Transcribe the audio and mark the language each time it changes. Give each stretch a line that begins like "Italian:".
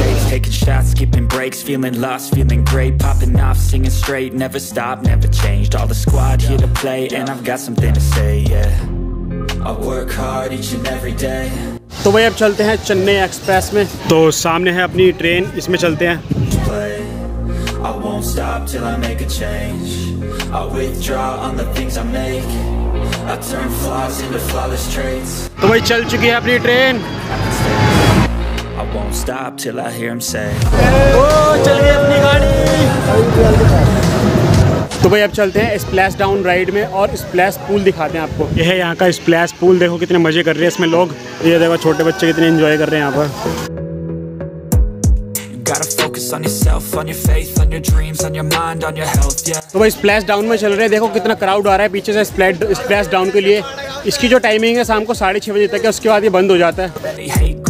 English: Taking shots, skipping breaks, feeling lost, feeling great. Popping off, singing straight, never stopped, never changed. All the squad here to play, and I've got something to say, yeah. I work hard each and every day.
Hindi: तो भाई अब चलते हैं Chennai express में। तो सामने है अपनी ट्रेन, इसमें चलते हैं।
English: I won't stop till I make a change. I withdraw on the things I make. I turn flaws into flawless traits.
Hindi: तो भाई चल चुकी है अपनी train.
English: I won't stop till I hear him say.
Hindi: चल गई अपनी गाड़ी। तो भाई अब चलते हैं स्प्लैश डाउन राइड में, और स्प्लैश पूल दिखाते हैं आपको। यह है यहाँ का स्प्लैश पूल, देखो कितने मजे कर रहे हैं इसमें लोग। ये देखो छोटे बच्चे कितने एंजॉय कर रहे हैं यहाँ पर।
English: On yourself, on your faith, on your dreams, on your mind, on your health, yeah.
Hindi: तो भाई स्प्लैश डाउन में चल रहे हैं, देखो कितना क्राउड आ रहा है पीछे से स्प्लैश डाउन के लिए। इसकी जो टाइमिंग है शाम को 6:30 बजे तक है, उसके बाद ये बंद हो जाता है।